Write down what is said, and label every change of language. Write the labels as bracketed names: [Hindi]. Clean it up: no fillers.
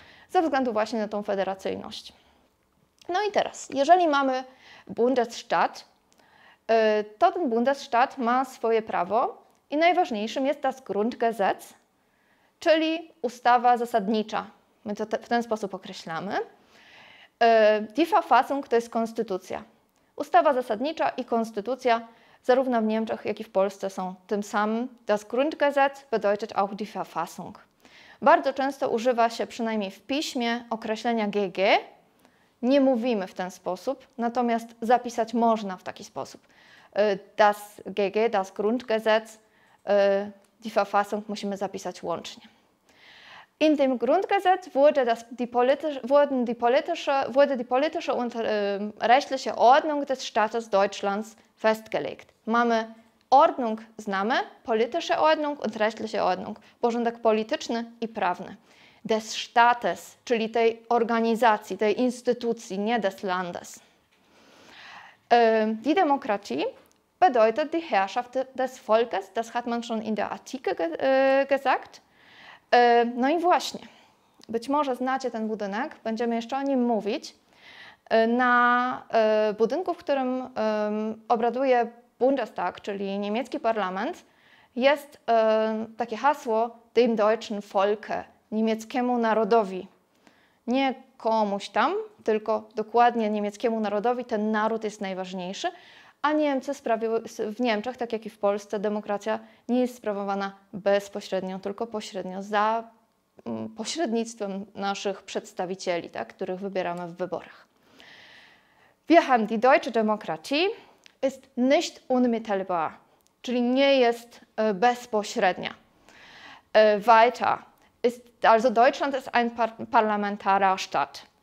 [Polish] Ze względu właśnie na tą federacyjność. No i teraz, jeżeli mamy Bundesstaat, to ten Bundesstaat ma swoje prawo i najważniejszym jest das Grundgesetz, czyli ustawa zasadnicza. My to w ten sposób określamy. Die Verfassung to jest konstytucja. Ustawa zasadnicza i konstytucja zarówno w Niemczech, jak i w Polsce są tym samym. [German] Das Grundgesetz bedeutet auch die Verfassung. [Polish] Bardzo często używa się, przynajmniej w piśmie, określenia GG. Nie mówimy w ten sposób, natomiast zapisać można w taki sposób. [German] Das GG, das Grundgesetz, die Verfassung [Polish] musimy zapisać łącznie. [German] In dem Grundgesetz wurde die politische und rechtliche Ordnung des Staates Deutschlands festgelegt. [Polish] Mamy Ordnung znamy, [German] politische Ordnung und rechtliche Ordnung, [Polish] porządek polityczny i prawny. Des Staates, czyli tej organizacji, tej instytucji, nie des Landes. [German] Die Demokratie bedeutet die Herrschaft des Volkes, das hat man schon in der Artikel gesagt. [Polish] No i właśnie, być może znacie ten budynek, będziemy jeszcze o nim mówić. Na budynku, w którym obraduje Bundestag, czyli niemiecki parlament, jest takie hasło [German] dem deutschen Volke, [Polish] niemieckiemu narodowi. Nie komuś tam, tylko dokładnie niemieckiemu narodowi, ten naród jest najważniejszy, a Niemcy w Niemczech, tak jak i w Polsce, demokracja nie jest sprawowana bezpośrednio, tylko pośrednio, za pośrednictwem naszych przedstawicieli, tak, których wybieramy w wyborach. [German] Wir haben die deutsche Demokratie, ist nicht unmittelbar, [Polish] czyli nie jest bezpośrednia. [German] Weiter. ist, also Deutschland ist ein parlamentarischer Staat.